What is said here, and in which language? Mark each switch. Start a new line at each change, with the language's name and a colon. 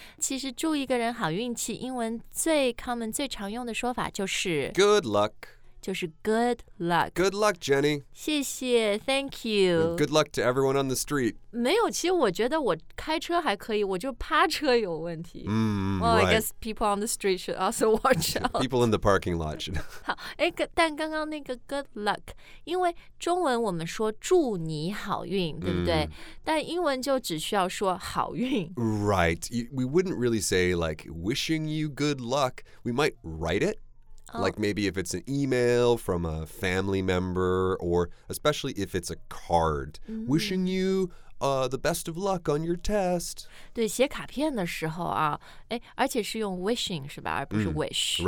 Chinese: 其实祝一个人好运气英文最 common 最常用的说法就是
English: Good luck
Chinese: 就是 good luck
English: Good luck Jenny
Chinese: 谢谢
English: Thank you Good luck to everyone on the street
Chinese: 没有其实我觉得我开车还可以我就趴车有问题嗯、mm.
English: Well, right. I guess people on the street should also watch out. People in the parking lot should.
Chinese: 好，哎，但刚刚那个 good luck， 因为中文我们说祝你好运，对不对？Mm. 但英文就只需要说好运。
English: Right. We wouldn't really say like wishing you good luck. We might write it. Like maybe if it's an email from a family member or especially if it's a card,、mm-hmm. wishing you、the best of luck on your test.
Chinese: 对写卡片的时候啊诶而且是用 wishing, 是吧而不是 wish,、